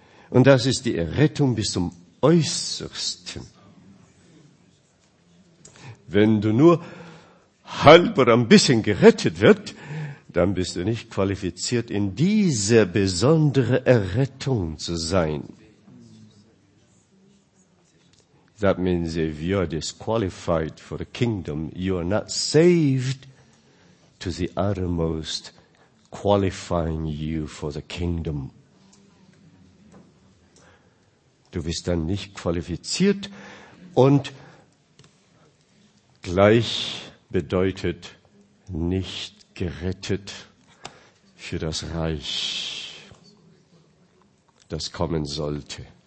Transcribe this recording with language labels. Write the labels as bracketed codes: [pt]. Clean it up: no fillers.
[de] Und das ist die Errettung bis zum Äußersten. Wenn du nur halb oder ein bisschen gerettet wird, dann bist du nicht qualifiziert, in diese besondere Errettung zu sein. [en] That means if you are disqualified for the kingdom, you are not saved to the uttermost qualifying you for the kingdom. [de] Du bist dann nicht qualifiziert und gleich bedeutet nicht gerettet für das Reich, das kommen sollte.